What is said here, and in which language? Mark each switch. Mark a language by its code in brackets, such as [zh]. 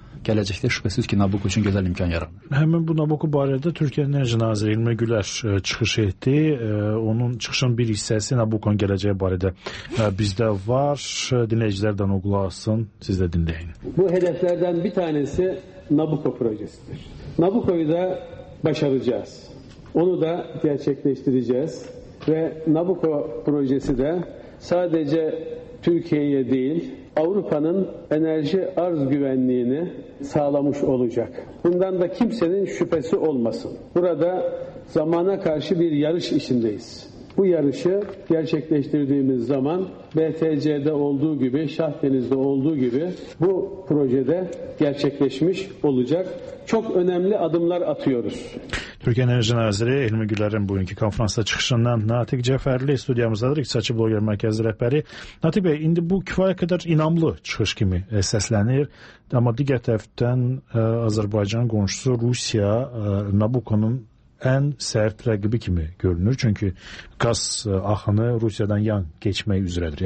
[az] gələcəkdə şübhəsiz ki, Nabuko üçün gözəl imkan yaranır. Həmin bu Nabuko barədə Türkiyə Enerji Naziri İlmi Güləş çıxış etdi. Onun çıxışın bir hissəsi Nabuko'nun gələcəyi barədə bizdə var. Dinləyicilərdən uqlasın, siz də dinləyin. [tr] Bu hədəflərdən bir tanəsi Nabuko projesidir. Nabuko'yu da başaracağız. Onu da gerçekleştireceğiz. Ve Nabuko projesi de sadece Türkiye'ye değil, Avrupa'nın enerji arz güvenliğini sağlamış olacak. Bundan da kimsenin şüphesi olmasın. Burada zamana karşı bir yarış içindeyiz. Bu yarışı gerçekleştirdiğimiz zaman BTC'de olduğu gibi, Şahdeniz'de olduğu gibi bu projede gerçekleşmiş olacak. Çok önemli adımlar atıyoruz. [az] Türk Enerji Naziri Hilmi Güler'in bugünkü konferansta çıkışından Natiq Cəfərli stüdyamızdadır. İqtisadçı Bloger Mərkəzi rəhbəri. Natiq Bey, indi bu kifayət qədər inamlı çıxış kimi səslənir. Amma digər tərəfdən Azərbaycan qonşusu Rusiya Nabuko'nun ən sərt rəqibi kimi görünür. Çünki qaz axını Rusiyadan yan keçmək üzrədir.